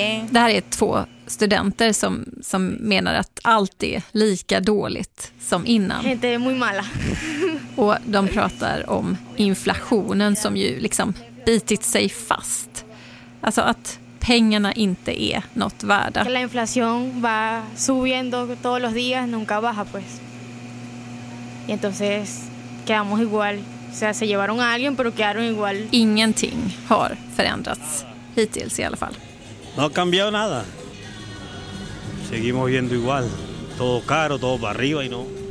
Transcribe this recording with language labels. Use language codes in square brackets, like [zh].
[sv] Det här är 2 studenter som menar att allt är lika dåligt som innan. Och de pratar om inflationen som ju liksom bitit sig fast. Alltså att pengarna inte är något värda. [es] La inflación va subiendo todos los días, nunca baja pues. Y entonces quedamos igual. [sv] Ingenting har förändrats hittills i alla fall. [es] No ha cambiado nada. Seguimos viendo igual. Todo caro, todo para arriba y no.